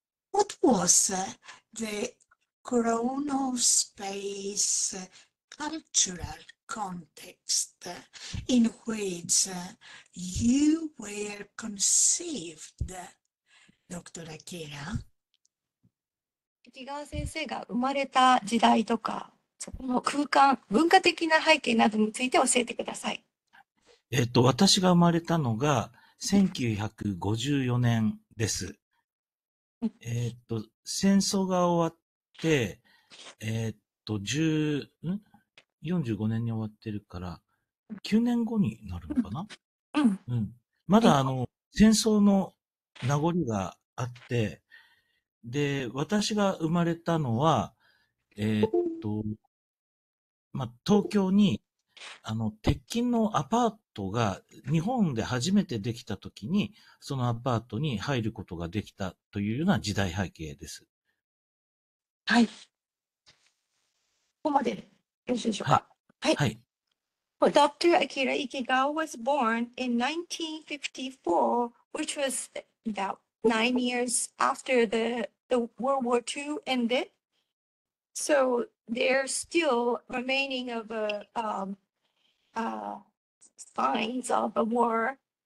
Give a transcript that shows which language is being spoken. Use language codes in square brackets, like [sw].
[en] What was the chronospace cultural context in which you were conceived, Dr. Akira? [ja] Ichigawa先生が生まれた時代とか、そこの空間、文化的な背景などについて教えてください。私が生まれたのが1954年です。戦争が終わって、45年に終わってるから、9年後になるのかな? うん。まだ戦争の名残があって、で、私が生まれたのは、ま、東京に、鉄筋のアパートが日本で初めてできた時に、そのアパートに入ることができたというような時代背景です。はい。ここまでよろしいでしょうか? はい。はい。 [en] Well, Dr. Akira Ichigawa was born in 1954, which was about 9 years after the World War II ended. So there's still remaining of signs of a war.